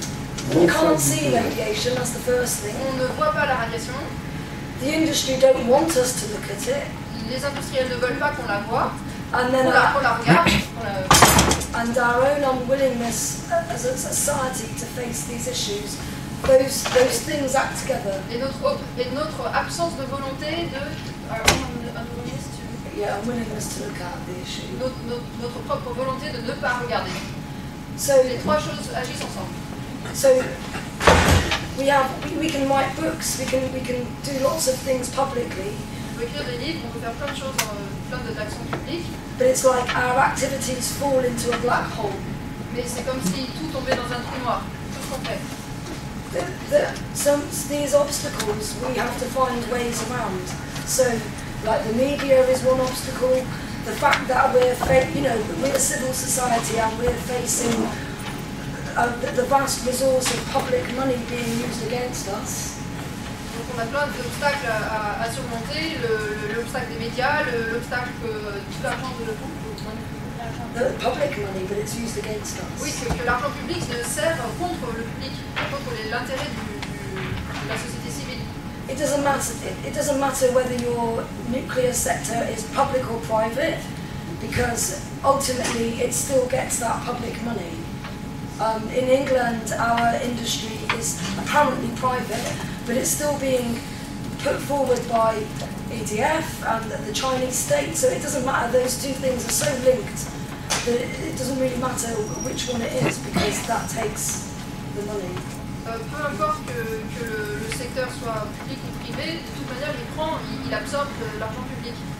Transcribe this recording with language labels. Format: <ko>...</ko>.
<en>So, we can't see radiation, that's the first thing.</en> <fr>On ne voit pas la radiation.</fr> <en>The industry don't want us to look at it.</en> <fr>Les industriels ne veulent pas qu'on la voit.</fr> <en>And then</en> <fr>on la regarde,</fr> <en>and our own unwillingness as a society to face these issues, those things act together.</en> <fr>Et notre absence de volonté de</fr> <en>unwillingness to look at the issue.</en> <fr>Notre propre volonté de ne pas regarder.</fr> <en>So</en> <fr>les trois choses agissent ensemble.</fr> <en>So we can write books, we can do lots of things publicly.</en> <fr>On peut écrire des livres, on peut faire plein de choses.</fr> <en>But it's like our activities fall into a black hole.</en> <fr>Mais c'est comme si tout tombait dans un trou noir. Tout ce qu'on fait.</fr> <en>These obstacles we have to find ways around. So, like the media is one obstacle. The fact that we're a civil society and we're facing the vast resource of public money being used against us.</en> <fr>Donc on a plein d'obstacles à surmonter, l'obstacle des médias, l'obstacle que tout l'argent de l'argent public,</fr> <en>but it's used against us.</en> <fr>Oui, que l'argent public ne sert contre le public, contre l'intérêt de la société civile.</fr> <en>It doesn't matter whether your nuclear sector is public or private, because ultimately it still gets that public money. In England, our industry is apparently private, but it's still being put forward by EDF and the Chinese state, so it doesn't matter, those two things are so linked that it doesn't really matter which one it is, because that takes the money.</en> <fr>Peu importe que le secteur soit public ou privé, de toute manière il absorbe l'argent public.</fr>